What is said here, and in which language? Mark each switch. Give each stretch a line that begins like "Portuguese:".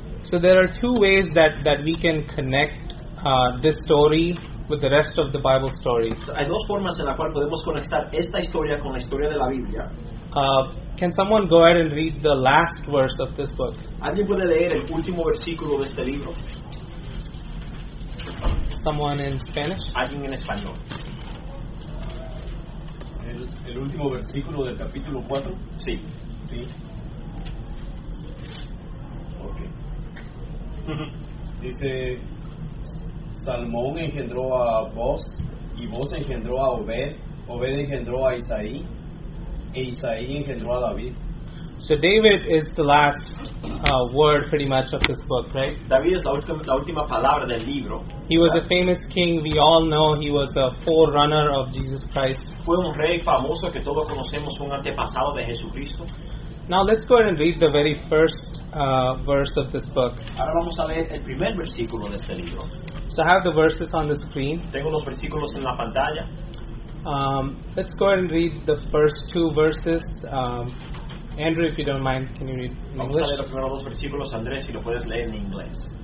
English: So there are two ways that we can connect this story with the rest of the Bible story.
Spanish: Hay dos formas en la cual podemos conectar esta historia con la historia de la Biblia.
English: Can someone go ahead and read the last verse of this book?
Spanish: ¿Alguien puede leer el último versículo de este libro?
English: Someone in Spanish?
Spanish: Alguien en español. El último versículo del capítulo 4? Sí. Sí. Ok. Dice, Salmón engendró a Boz, y Boz engendró a Obed, Obed engendró a Isaí, e Isaí engendró a David.
English: So David is the last word pretty much of this book, right?
Spanish: David es la última palabra del libro.
English: He was a famous king. We all know he was a forerunner of Jesus Christ.
Spanish: Fue un rey famoso que todos conocemos, un antepasado de Jesucristo.
English: Now let's go ahead and read the very first verse of this book.
Spanish: Ahora vamos a leer el primer versículo de este libro.
English: So I have the verses on the screen.
Spanish: Tengo los versículos en la pantalla.
English: Let's go ahead and read the first two verses. Andrew, if you don't mind, can you read in English?
Spanish: Vamos a leer los primeros dos versículos, Andrés, si lo puedes leer en inglés.